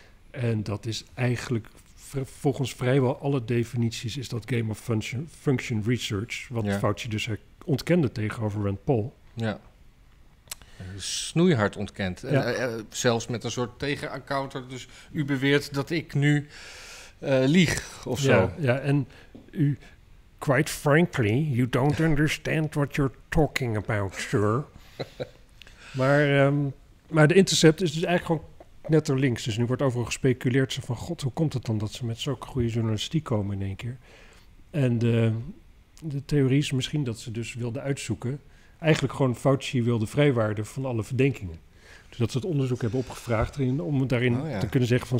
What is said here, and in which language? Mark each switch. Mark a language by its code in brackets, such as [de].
[nl] En dat is eigenlijk volgens vrijwel alle definities... is dat game of function research. Wat Fauci dus ontkende tegenover Rand Paul. Ja. Snoeihard ontkend. Ja. Zelfs met een soort tegenaccounter. Dus u beweert dat ik nu... lieg of zo. Ja, en u, [en] quite frankly, you don't understand what you're talking about, sir. [nl] maar de Intercept is dus eigenlijk gewoon net er links. Dus nu wordt overal gespeculeerd van, god, hoe komt het dan dat ze met zulke goede journalistiek komen in één keer? En de theorie is misschien dat ze dus wilden uitzoeken. Eigenlijk gewoon Fauci wilde vrijwaarden van alle verdenkingen. Dat ze het onderzoek hebben opgevraagd erin, om daarin te kunnen zeggen van...